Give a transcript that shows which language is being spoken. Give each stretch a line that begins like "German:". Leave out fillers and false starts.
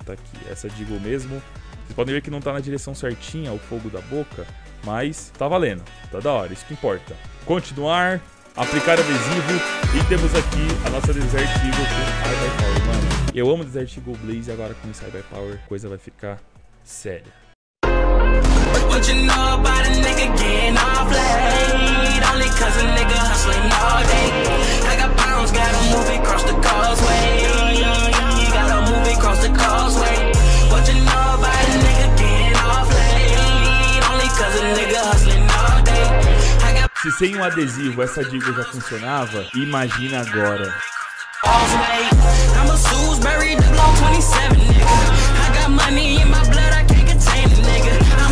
Portuguese: Tá aqui, essa Deagle mesmo. Vocês podem ver que não tá na direção certinha o fogo da boca, mas tá valendo. Tá da hora, isso que importa. Continuar, aplicar adesivo. E temos aqui a nossa Desert Eagle com Ibipower, mano. Eu amo Desert Eagle Blaze, agora com esse Ibipower a coisa vai ficar séria.
English: What you know about a nigga getting off late? Only cause a nigga hustling all day. I got pounds, gotta move it across the causeway. Gotta move it across the causeway. What you know about a nigga getting off late? Only cause a nigga hustling all day.
Portuguese: Se sem um adesivo essa dica já funcionava, imagina agora.
English: I'm a Suesbury, the blow 27, nigga. I got money in my blood, I can't contain it, nigga.